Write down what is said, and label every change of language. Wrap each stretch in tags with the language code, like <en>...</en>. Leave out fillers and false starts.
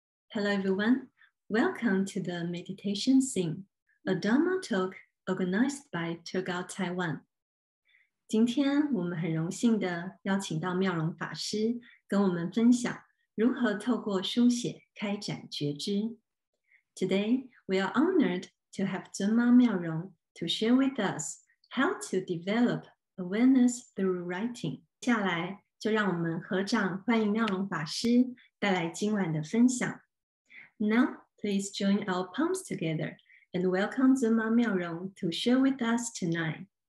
<en>Hello everyone, welcome to the Meditation Scene, a Dharma Talk organized by Tergao Taiwan.</en> <zh>今天我们很荣幸的邀请到妙容法师跟我们分享如何透过书写开展觉知。</zh> <en>Today, we are honored to have Zunma Miao Rong to share with us how to develop awareness through writing.</en> <zh>接下来就让我们合掌欢迎妙容法师带来今晚的分享。</zh> <en>Now, please join our palms together and welcome Zunma Miao Rong to share with us tonight.</en>